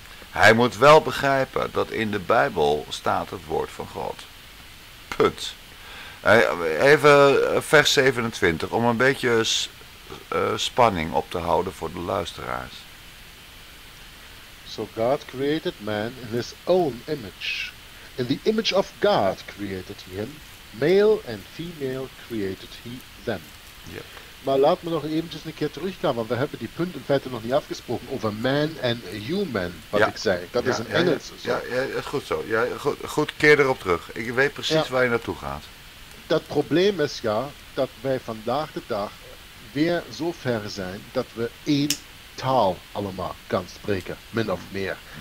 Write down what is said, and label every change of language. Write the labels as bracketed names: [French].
[Dutch] Hij moet wel begrijpen dat in de Bijbel staat het woord van God. Punt. Even vers 27, om een beetje spanning op te houden voor de luisteraars. [English] So God created man in his own image. In the image of God created he him. Male and female created he them. Yep. [Dutch] Maar laat me nog eventjes een keer terugkomen, want we hebben die punt in feite nog niet afgesproken over [English] man and human, [Dutch] wat ja. Ik zei. Dat ja, is een ja, Engels. Ja, goed zo. Ja, goed, keer erop terug. Ik weet precies ja. Waar je naartoe gaat. Dat probleem is ja, dat wij vandaag de dag weer zo ver zijn dat we één taal allemaal kan spreken, min of meer.